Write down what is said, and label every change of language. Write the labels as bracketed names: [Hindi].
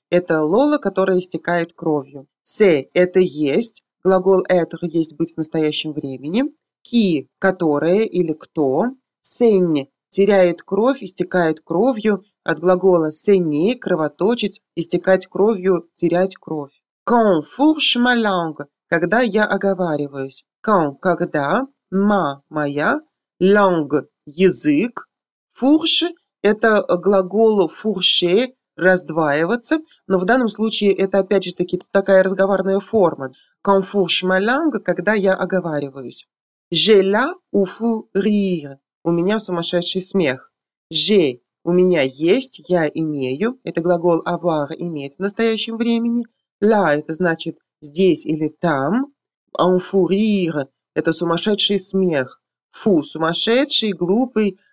[Russian] Это Лола, которая истекает кровью. C'est – это есть. Глагол être – есть быть в настоящем времени. Qui – которое или кто. Saigne – теряет кровь, истекает кровью. От глагола saigner – кровоточить, истекать кровью, терять кровь. [French] Quand fourche ma langue, [Russian] когда я оговариваюсь. Quand, когда, ma, моя, langue, язык. Fourche, это глагол fourche, раздваиваться. Но в данном случае это опять же таки такая разговорная форма. [French] Quand fourche ma langue, [Russian] когда я оговариваюсь. [French] J'ai là ou fou rire, [Russian] у меня сумасшедший смех. J'ai, у меня есть, я имею. Это глагол avoir, иметь в настоящем времени. «La» – это значит «здесь» или «там». [French] «En fou rire» [Russian] – это сумасшедший смех. «Fou» – сумасшедший, глупый.